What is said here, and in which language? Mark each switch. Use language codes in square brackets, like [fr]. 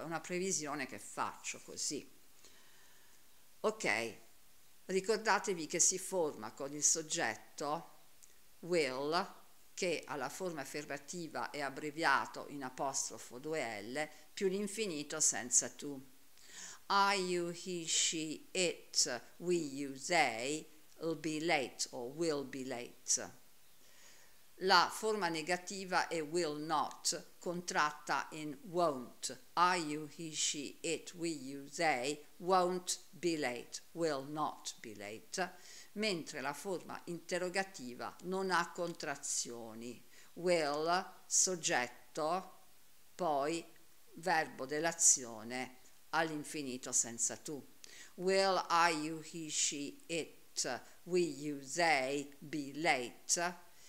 [it] È una previsione che faccio così. Ok. Ricordatevi che si forma con il soggetto will, che ha la forma affermativa e abbreviato in apostrofo 2L, più l'infinito senza to. [en] I, you, he, she, it, we, you, they, will be late or will be late. [it] La forma negativa è will not, contratta in won't. [en] I, you, he, she, it, we, you, they won't be late, will not be late. [it] Mentre la forma interrogativa non ha contrazioni. Will, soggetto, poi verbo dell'azione all'infinito senza to. [en] Will, I, you, he, she, it, we, you, they be late.